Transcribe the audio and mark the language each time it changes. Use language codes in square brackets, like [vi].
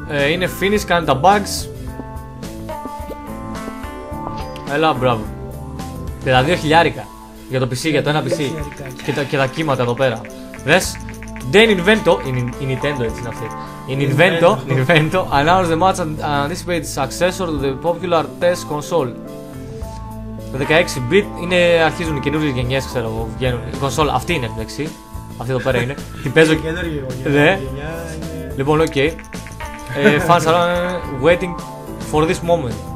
[el] Είναι finish, κάνει τα bugs. Έλα, μπράβο. Και τα 2000 για το PC, για το ένα PC. Και τα κύματα εδώ πέρα. Δες. Δεν invento, η Nintendo έτσι είναι αυτή. [en] Nintendo announced the much anticipated successor to the popular test console. [el] Το 16-bit είναι, αρχίζουν οι καινούργιες γενιές, ξέρω εγώ, βγαίνουν. Η console αυτή είναι, εντάξει. Αυτή εδώ πέρα είναι. Την παίζω και. Ναι. Λοιπόν, οκ. Okay. [en] Fans are waiting for this moment.